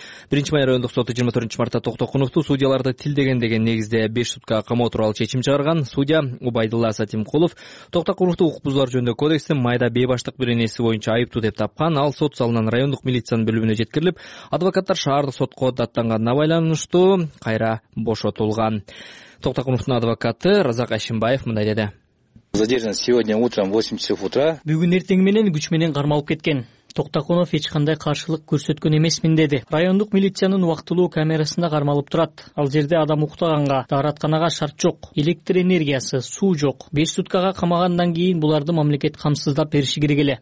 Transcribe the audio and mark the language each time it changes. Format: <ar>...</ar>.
<ky>1-май райондук соту 24 мартта Токтокуновду судьяларды тилдеген деген негизде 5 сутка камоо тууралуу чечим чыгарган. Судья Убайдулла Сатимкулов Токтокуновду укук бузуулар жөнүндө кодекстин майда бейбаштык беренеси боюнча айыптуу деп тапкан. Ал сот залынан райондук милициянын бөлүмүнө жеткирилип, адвокаттар шаардык сотко даттанганына байланыштуу кайра бошотулган. Токтокуновдун адвокаты Разак Ашимбаев мындай деди.</ky> <ru>Задержан сегодня утром 8 часов утра.</ru> <ky>Бүгүн эртең менен күч менен кармалып кеткен. Токтокунов эч кандай каршылык көрсөткөн эмесмин деди. Райондук милициянын убактылуу камерасында кармалып турат. Ал жерде адам уктаганга, дааратканага шарт жок, электр энергиясы, суу жок. 5 суткага камагандан кийин буларды мамлекет камсыздап бериши керек эле.</ky>